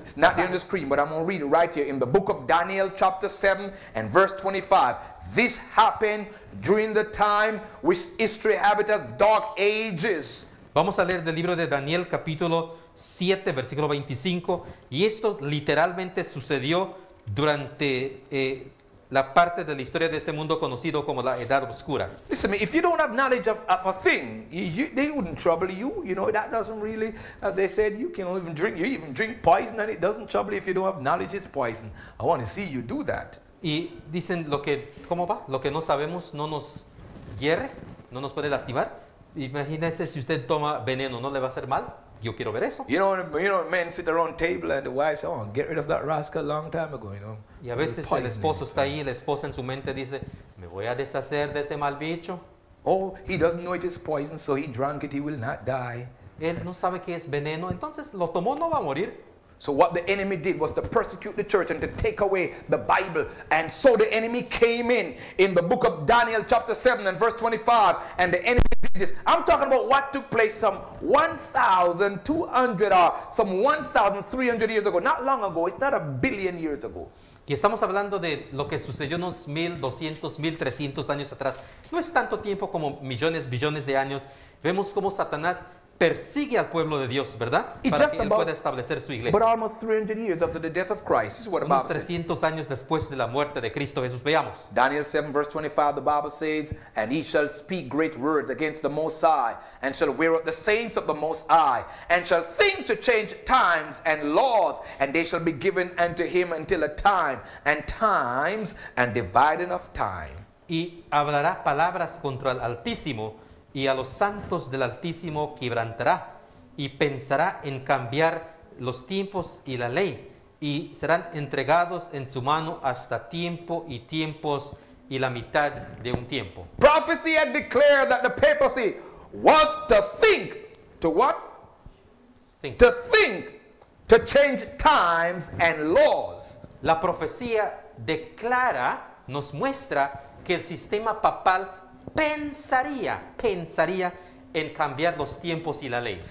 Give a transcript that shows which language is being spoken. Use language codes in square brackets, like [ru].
[en] it's not here on the screen, but I'm going to read it right here in the book of Daniel, chapter 7, and verse 25. This happened during the time which history habits as dark ages. [es] Vamos a leer del libro de Daniel, capítulo 7, versículo 25. Y esto literalmente sucedió durante la parte de la historia de este mundo conocido como la Edad Oscura. [en] Listen to me, if you don't have knowledge of a thing, they wouldn't trouble you. You know, that doesn't really, as they said, you can even drink, you even drink poison and it doesn't trouble you if you don't have knowledge, it's poison. I want to see you do that. [es] Y dicen, ¿cómo va? Lo que no sabemos no nos hierre, no nos puede lastimar. Imagínese si usted toma veneno, ¿no le va a hacer mal? Yo quiero ver eso. [en] You know, men sit around the table and the wife says, oh, get rid of that rascal a long time ago, you know. [es] Y a veces el esposo está ahí, la esposa en su mente dice, me voy a deshacer de este mal bicho. [en] Oh, he doesn't know it is poison, so he drank it, he will not die. [es] Él no sabe que es veneno, entonces lo tomó, no va a morir. [en] So what the enemy did was to persecute the church and to take away the Bible. And so the enemy came in the book of Daniel chapter 7 and verse 25. And the enemy did this. I'm talking about what took place some 1,200 or some 1,300 years ago. Not long ago. It's not a billion years ago. [es] Y estamos hablando de lo que sucedió unos 1,200, 1,300 años atrás. No es tanto tiempo como millones, billones de años. Vemos cómo Satanás persigue al pueblo de Dios, ¿verdad? Para que él pueda establecer su iglesia. [en] But almost 300 years after the death of Christ, is what [es] unos 300 años después de la muerte de Cristo Jesús, veamos. [en] Daniel 7, verse 25, the Bible says, and he shall speak great words against the Most High, and shall wear up the saints of the Most High, and shall think to change times and laws, and they shall be given unto him until a time, and times, and dividing of time. [es] Y hablará palabras contra el Altísimo, y a los santos del Altísimo quebrantará, y pensará en cambiar los tiempos y la ley, y serán entregados en su mano hasta tiempo y tiempos y la mitad de un tiempo. [en] Prophecy had declared that the papacy was to think, to what? Think. To think, to change times and laws. [es] La profecía declara, nos muestra que el sistema papal pensaría en cambiar los tiempos y la ley.